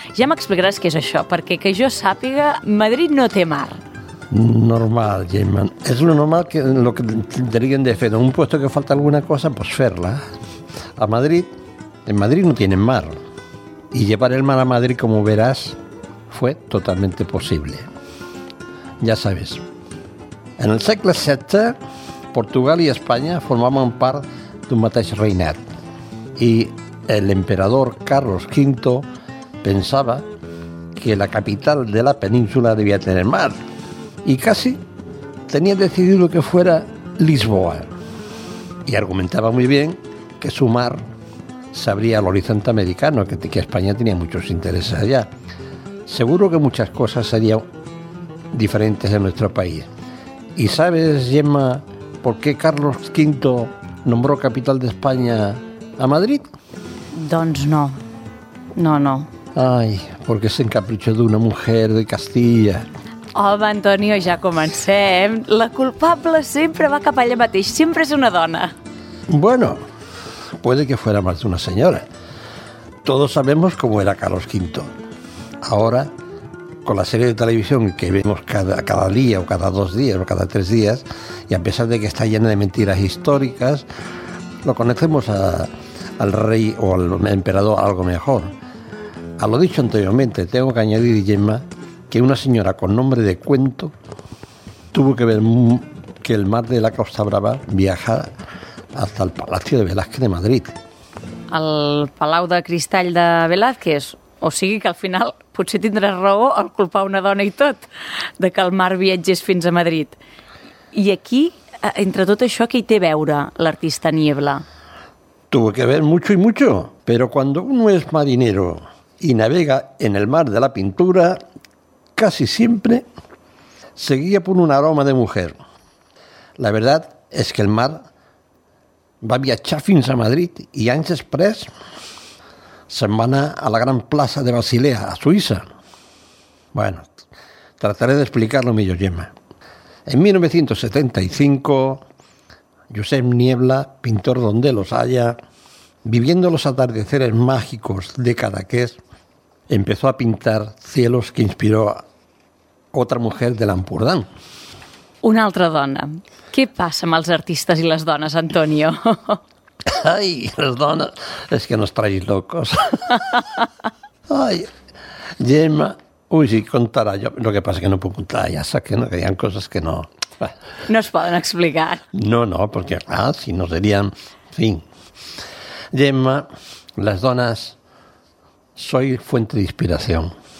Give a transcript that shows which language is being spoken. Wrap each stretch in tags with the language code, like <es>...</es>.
<ca>Ja m'explicaràs què és això, perquè que jo sàpiga, Madrid no té mar. Normal, Gemma. És lo normal que lo que tenien de fer.</ca> <es>En un puesto que falta alguna cosa, pues</es> <ca>fer-la.</ca> <es>A Madrid, en Madrid no tienen mar. Y llevar el mar a Madrid, como verás, fue totalmente posible. Ya sabes,</es> <ca>en el segle VII, Portugal i Espanya formaven part d'un mateix reinat i l'emperador Carlos V pensava que la capital de la península devia tenir mar i quasi tenia decidit</ca> <es>que fuera Lisboa</es> <ca>i argumentava molt bé que su mar s'abria a l'horizont americano, que Espanya tenia molts interessos allà.</ca> <es>Seguro</es> <ca>que moltes coses serien</ca> <es>diferentes en nuestro país. ¿Y sabes, Gemma, por qué Carlos V nombró capital de España a Madrid?</es> <ca>Doncs no. No, no.</ca> <es>Ay, porque se encaprichó de una mujer de Castilla.</es> <ca>Home, Antonio, ja comencem. La culpable sempre va cap allà mateix. Sempre és una dona.</ca> <es>Bueno, puede que fuera más de una señora. Todos sabemos cómo era Carlos V. Ahora, con la serie de televisión que vemos cada día o cada dos días o cada tres días, y a pesar de que está llena de mentiras históricas, lo conocemos al rey o al emperador algo mejor. A lo dicho anteriormente, tengo que añadir, Gemma, que una señora con nombre de cuento tuvo que ver que el mar de la Costa Brava viaja hasta el Palacio de Velázquez de Madrid.</es> <ca>¿Al Palau de Cristall de Velázquez? O sigui que al final potser tindràs raó al culpar una dona i tot de que el mar viatgés fins a Madrid. I aquí, entre tot això, què hi té a veure l'artista Niebla?</ca> <es>Tuvo que ver mucho y mucho, pero cuando uno es marinero y navega en el mar de la pintura, casi siempre se guía por un aroma de mujer.</es> <ca>La verdad es que el mar va viatjar fins a Madrid i anys després se'n va anar a la gran plaça de Basilea, a Suïssa.</ca> <es>Bueno, trataré</es> <ca>d'explicar-lo millor, Gemma.</ca> <es>En 1975, Josep Niebla, pintor donde los haya, viviendo los atardeceres mágicos de Cadaqués, empezó a pintar cielos que inspiró a otra mujer de l'Empordán.</es> <ca>Una altra dona. Què passa amb els artistes i les dones, Antonio?</ca> <es>Ay, las donas, es que nos traéis locos. Ay, Gemma, uy, si contara yo, lo que pasa es que no puedo contar, ya sabes que no, que hayan cosas que no. No se pueden explicar. No, no, porque si no serían, fin. Gemma, las donas, soy fuente de inspiración.</es>